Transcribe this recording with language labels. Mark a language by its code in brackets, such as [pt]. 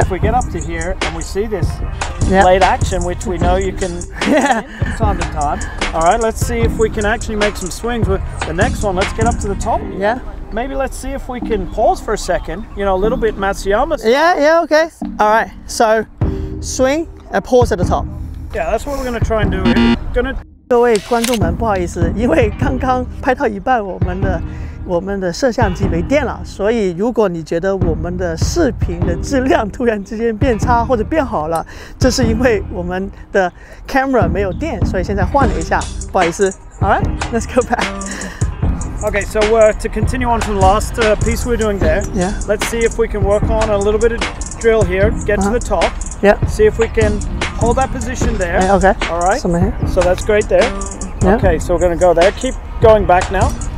[en] If we get up to here and we see this. Yep. Late action, which we know you can from time to time. All right, let's see if we can actually make some swings with the next one. Let's get up to the top. Yeah. Maybe let's see if we can pause for a second, you know, a little bit Matsuyama style. Yeah, okay. All right, so swing and pause at the top. Yeah, that's what we're going to try and do here. [zh] 各位观众们，不好意思，因为刚刚拍到一半，我们的摄像机没电了，所以如果你觉得我们的视频的质量突然之间变差或者变好了，这是因为我们的 camera 没有电，所以现在换了一下，不好意思。 [en] All right, let's go back. Okay, so we're to continue on from the last piece we're doing there. Yeah. Let's see if we can work on a little bit of drill here. Get to the top. Yeah. See if we can hold that position there. Okay. All right. Somewhere here. So that's great there. Yeah. Okay, so we're going to go there. Keep going back now.